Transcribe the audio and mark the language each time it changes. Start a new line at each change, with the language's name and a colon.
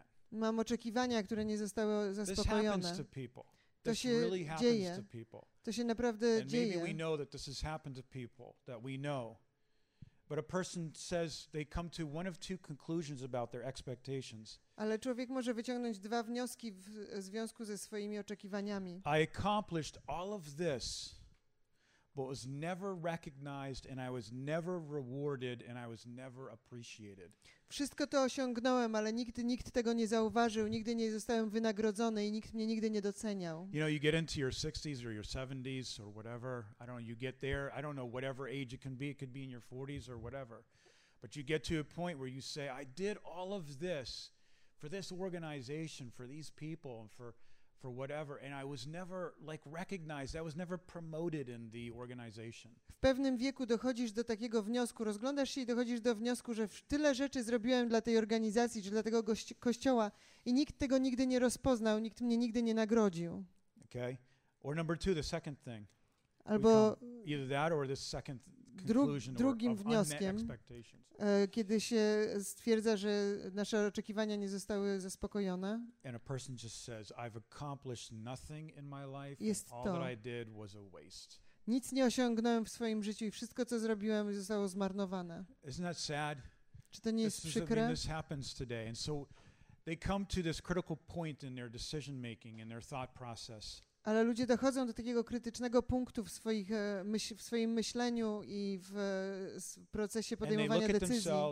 Polish: Mam oczekiwania, które nie zostały zaspokojone. To się dzieje. To się naprawdę dzieje.
English: Maybe we know that this has happened to people that we know. But a person says they come to one of two conclusions about their expectations.
Polish: Ale człowiek może wyciągnąć dwa wnioski w związku ze swoimi oczekiwaniami.
English: I accomplished all of this, but was never recognized, and I was never rewarded, and I was never appreciated.
Polish: Wszystko to osiągnąłem, ale nikt tego nie zauważył, nigdy nie zostałem wynagrodzony i nikt mnie nigdy nie doceniał.
English: You know, you get into your 60s or your 70s or whatever. I don't know, you get there. I don't know whatever age it can be. It could be in your 40s or whatever. But you get to a point where you say, I did all of this for this organization, for these people, and for whatever, and I was never like recognized, I was never promoted in the organization.
Polish: W pewnym wieku dochodzisz do takiego wniosku, rozglądasz się i dochodzisz do wniosku, że tyle rzeczy zrobiłem dla tej organizacji, czy dla tego kościoła i nikt tego nigdy nie rozpoznał, nikt mnie nigdy nie nagrodził.
English: Okay. Or number two, the second thing.
Polish: Albo
English: either that or the second conclusion
Polish: drugim wnioskiem, kiedy się stwierdza, że nasze oczekiwania nie zostały zaspokojone.
English: And a person just says, I've accomplished nothing in my life,
Polish: jest
English: all
Polish: to,
English: that I did was a waste.
Polish: Nic nie osiągnąłem w swoim życiu i wszystko, co zrobiłem, zostało zmarnowane.
English: Isn't that sad?
Polish: Czy to nie jest przykre?
English: This happens today. And so they come to this critical point in their decision making, in their thought process.
Polish: Ale ludzie dochodzą do takiego krytycznego punktu w swoim myśleniu i w procesie podejmowania decyzji.